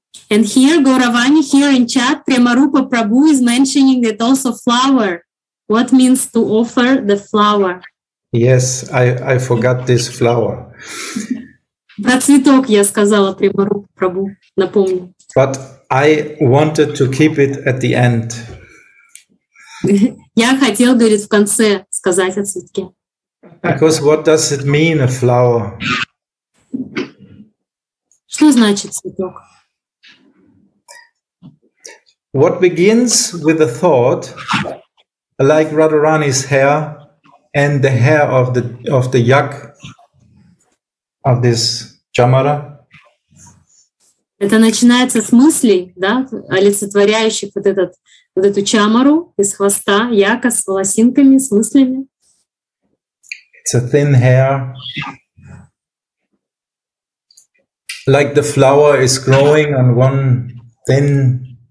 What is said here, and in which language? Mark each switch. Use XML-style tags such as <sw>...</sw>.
<en>And here, Gauravani, here in chat, Premarupa Prabhu is mentioning that also flower. What means to offer the flower? Yes, I forgot this flower.</en> <ru>Про цветок я сказала, Премарупа Прабу, напомню.</ru> <en>But I wanted to keep it at the end.</en> <ru>Я хотел, говорит, в конце сказать о цветке.</ru> <en>Because what does it mean, a flower?</en> <ru>Что значит цветок?</ru> <en>What begins with a thought, like Radharani's hair and the hair of the yak of this chamara?</en> <ru>Это начинается с мыслей, да, олицетворяющих вот этот вот эту чамару из хвоста яка с волосинками, с мыслями.</ru> <en>It's a thin hair, like the flower is growing on one thin.</en>